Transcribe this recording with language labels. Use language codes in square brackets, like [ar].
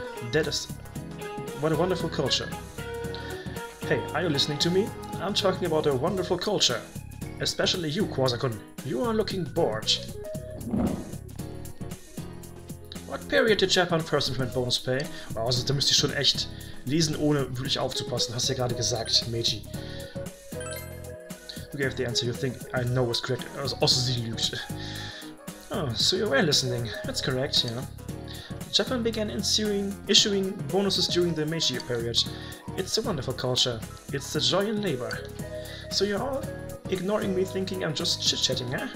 [en] That is... what a wonderful culture. Hey, are you listening to me? I'm talking about a wonderful culture. Especially you, Kwasa-kun. You are looking bored. What period did Japan first implement bonus pay? [de] Wow, also da müsste ich schon echt lesen, ohne wirklich aufzupassen. Hast du ja gerade gesagt, Meiji. [en] You gave the answer you think I know was correct. [de] Also sie lügt. [en] Oh, so you were listening. That's correct, yeah. Japan began issuing bonuses during the Meiji period. It's a wonderful culture. It's the joy in labor. So you're all ignoring me thinking I'm just chit-chatting, eh?